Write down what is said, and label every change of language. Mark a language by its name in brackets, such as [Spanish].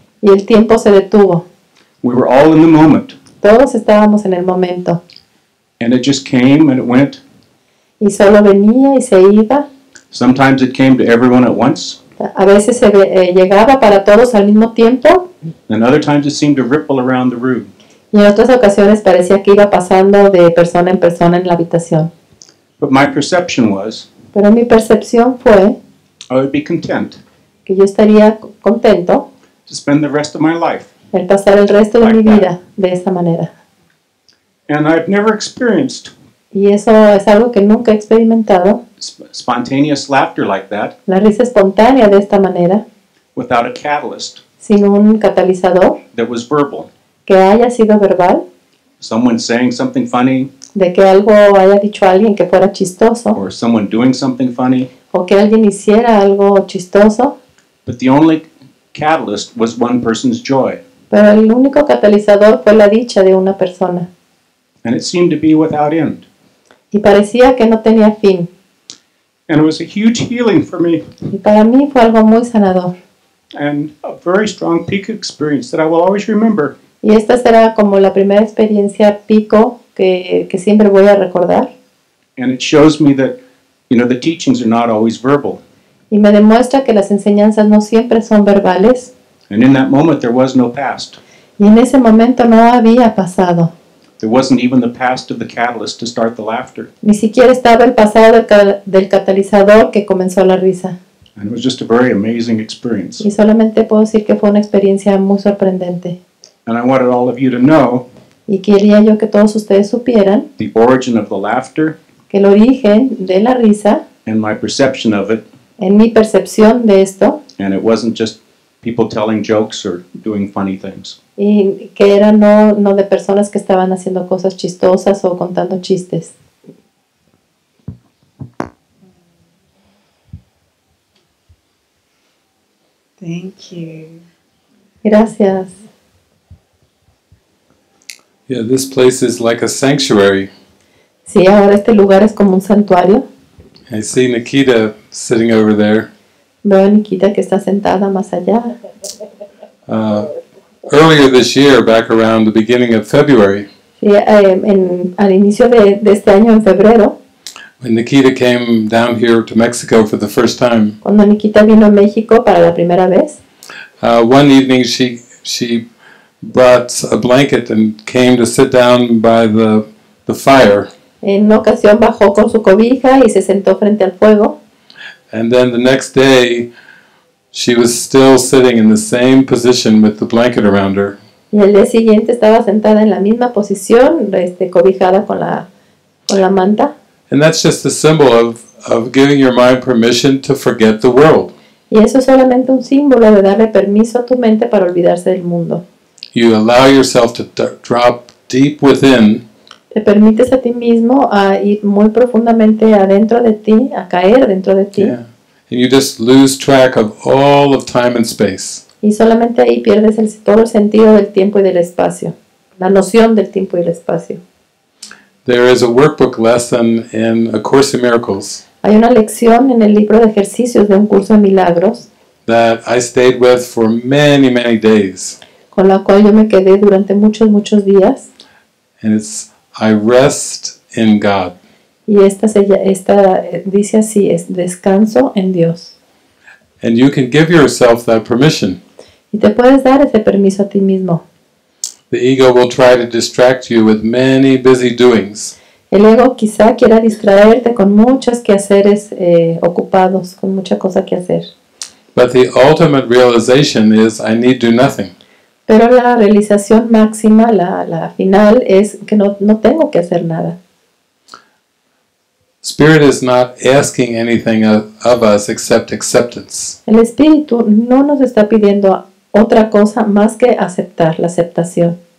[Spanish] Y el tiempo se detuvo. [English] We were all in the moment. [Spanish] Todos estábamos en el momento. [English] And it just came and it went. [Spanish] Y solo venía y se iba. [English] Sometimes it came to everyone at once. [Spanish] A veces se llegaba para todos al mismo tiempo. [English] And other times it seemed to ripple around the room. [Spanish] Y en otras ocasiones parecía que iba pasando de persona en la habitación. [English] But my perception was. [Spanish] Pero mi percepción fue. [English] I would be content. [Spanish] Que yo estaría contento. [English] To spend the rest of my life. [Spanish] El pasar el resto de mi vida de esa manera. [English] And I've never experienced. [Spanish] Y eso es algo que nunca he experimentado. [English] Spontaneous laughter like that. [Spanish] La risa espontánea de esta manera. [English] Without a catalyst. [Spanish] Sin un catalizador. [English] That was verbal. [Spanish] Que haya sido verbal. [English] Someone saying something funny. [Spanish] De que algo haya dicho alguien que fuera chistoso. [English] Or someone doing something funny. [Spanish] O que alguien hiciera algo chistoso. [English] But the only catalyst was one person's joy. [Spanish] Pero el único catalizador fue la dicha de una persona. [English] And it seemed to be without end. [Spanish] Y parecía que no tenía fin. [English] And it was a huge healing for me. [Spanish] Y para mí fue algo muy sanador. [English] And a very strong peak experience that I will always remember. [Spanish] Y esta será como la primera experiencia pico que siempre voy a recordar. [English] And it shows me that, you know, the teachings are not always verbal. [Spanish] Y me demuestra que las enseñanzas no siempre son verbales. [English] And in that moment there was no past. [Spanish] Y en ese momento no había pasado. [English] There wasn't even the past of the catalyst to start the laughter. [Spanish] Ni siquiera estaba el pasado del catalizador que comenzó la risa. [English] And it was just a very amazing experience. [Spanish] Y solamente puedo decir que fue una experiencia muy sorprendente. [English] And I wanted all of you to know. [Spanish] Y quería yo que todos ustedes supieran. [English] The origin of the laughter. [Spanish] Que el origen de la risa. [English] And my perception of it. [Spanish] En mi percepción de esto. [English] And it wasn't just people telling jokes or doing funny things. [Spanish] Y que era no de personas que estaban haciendo cosas chistosas o contando chistes. [English] Thank you. [Spanish] Gracias. [English] Yeah, this place is like a sanctuary. [Spanish] Sí, ahora este lugar es como un santuario. [English] I see Nikita sitting over there. [Spanish] Veo a Nikita que está sentada más allá. [English] Earlier this year, back around the beginning of February. [Spanish] Sí, al inicio de este año, en febrero. [English] When Nikita came down here to Mexico for the first time. [Spanish] Cuando Nikita vino a México para la primera vez. [English] One evening she brought a blanket and came to sit down by the fire. [Spanish] En una ocasión bajó con su cobija y se sentó frente al fuego. [English] And then the next day she was still sitting in the same position with the blanket around her. [Spanish] Y el día siguiente estaba sentada en la misma posición, cobijada con la manta. [English] And that's just a symbol of giving your mind permission to forget the world. [Spanish] Y eso es solamente un símbolo de darle permiso a tu mente para olvidarse del mundo. [English] You allow yourself to drop deep within. [Spanish] Te permites a ti mismo a ir muy profundamente adentro de ti, a caer dentro de ti. [English] Yeah. And you just lose track of all of time and space. [Spanish] Y solamente ahí pierdes todo el sentido del tiempo y del espacio, la noción del tiempo y el espacio. [English] There is a workbook lesson in A Course in Miracles. [Spanish] Hay una lección en el libro de ejercicios de Un Curso de Milagros. [English] That I stayed with for many, many days. [Spanish] Con la cual yo me quedé durante muchos, muchos días. [English] And it's I rest in God. [Spanish] Y esta dice así, es descanso en Dios. [English] And you can give yourself that permission. [Spanish] Y te puedes dar ese permiso a ti mismo. [English] The ego will try to distract you with many busy doings. [Spanish] El ego quizá quiera distraerte con muchos quehaceres ocupados, con mucha cosa que hacer. [English] But the ultimate realization is I need do nothing. [Spanish] Pero la realización máxima, la final, es que no tengo que hacer nada. [English] Spirit is not asking anything of us except acceptance. [Spanish] El espíritu no nos está pidiendo otra cosa más que aceptar, la aceptación.